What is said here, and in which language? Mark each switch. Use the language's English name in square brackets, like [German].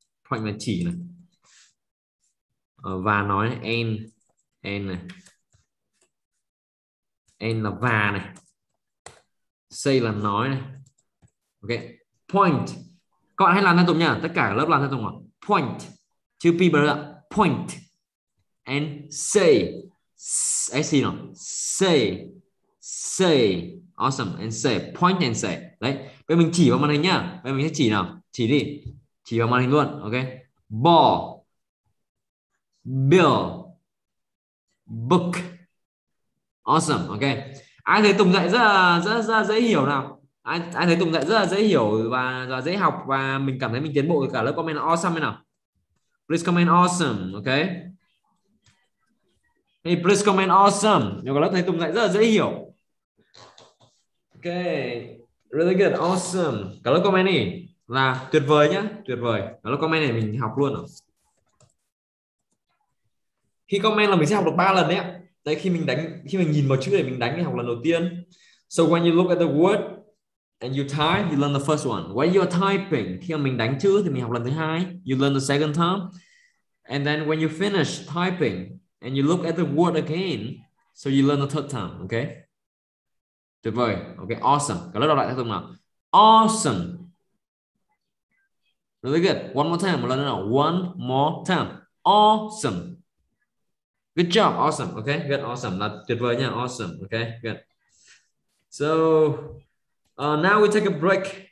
[Vietnamese] Point là chỉ này. Và nói n này, n là và này, say là nói này. Ok, point, các bạn hãy làm theo Tùng nha, tất cả lớp làm theo Tùng. [English] Point, [Vietnamese] chữ p bật ra, [English] point and say, s nào, say, awesome, and say, point and say. [Vietnamese] Đấy, bây giờ mình chỉ vào màn hình nhá, bây giờ mình sẽ chỉ nào, chỉ đi, chỉ vào màn hình luôn. [English] Ok, ball, bill, book, awesome. Ok, [Vietnamese] Ai thấy Tùng dạy rất dễ hiểu nào? Ai thấy Tùng dạy rất là dễ hiểu và dễ học và mình cảm thấy mình tiến bộ cả lớp, comment awesome nào. [English] Please comment awesome, okay? Hey, please comment awesome. [Vietnamese] Nếu cả lớp thấy Tùng dạy rất là dễ hiểu. [English] Okay, really good, awesome. [Vietnamese] Cả lớp comment đi. Là tuyệt vời nhá, tuyệt vời. Cả lớp comment này mình học luôn. Khi comment là mình sẽ học được 3 lần đấy ạ. Đấy, khi mình nhìn vào chữ để mình đánh thì học lần đầu tiên. [English] So when you look at the word and you type, you learn the first one. When you are typing, [Vietnamese] khi mình đánh chữ thì mình học lần thứ hai. [English] You learn the second time. And then when you finish typing and you look at the word again, so you learn the third time, okay? [Vietnamese] Tuyệt vời. Okay, awesome. Cả lớp đọc lại theo Tùng nào. [English] Awesome. Really good. One more time. One more time. Awesome. Good job. Awesome. Okay. Good. Awesome. [Vietnamese] Là tuyệt vời nha. [English] Awesome. Okay. Good. So now we take a break.